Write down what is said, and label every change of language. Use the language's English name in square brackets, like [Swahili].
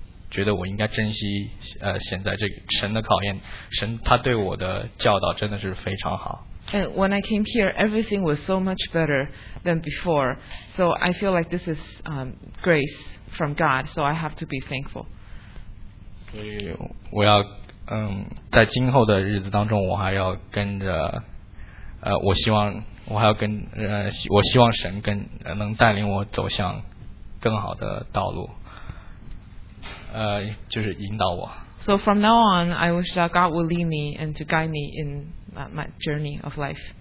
[Chinese] 觉得我应该珍惜现在这个神的考验，神他对我的教导真的是非常好。 [English] And when I came here, everything was so much better than before. So I feel like this is grace from God. So I have to be thankful. [Chinese] 所以我要在今后的日子当中，我还要跟着我希望神跟能带领我走向更好的道路。就是引导我。 [English] So from now on, I wish that God will lead me and to guide me in my journey of life.